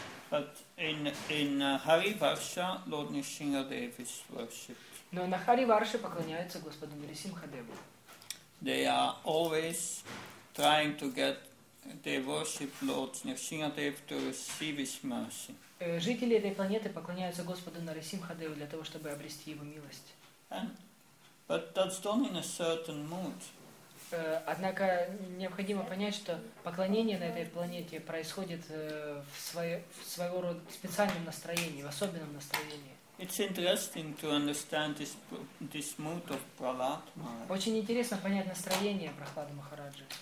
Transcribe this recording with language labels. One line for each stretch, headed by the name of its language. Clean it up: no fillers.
English: But in Hari Varsha, Lord Nrisimhadev is worshipped.
Russian: Но на Хари Варше поклоняются Господу Нрисимхадеву.
English: They are always trying to get their worship Lord Nrisimhadev to receive His mercy.
Russian: Жители этой планеты поклоняются Господу Нрисимхадеву для того, чтобы обрести Его милость.
English: But that's done in a certain mood.
Russian: Однако необходимо понять, что поклонение на этой планете происходит своего рода специальном настроении, в особенном настроении.
English: It's interesting to understand this mood of Prahlad Maharaj.
Russian: Очень интересно понять настроение Прохлады Махараджи.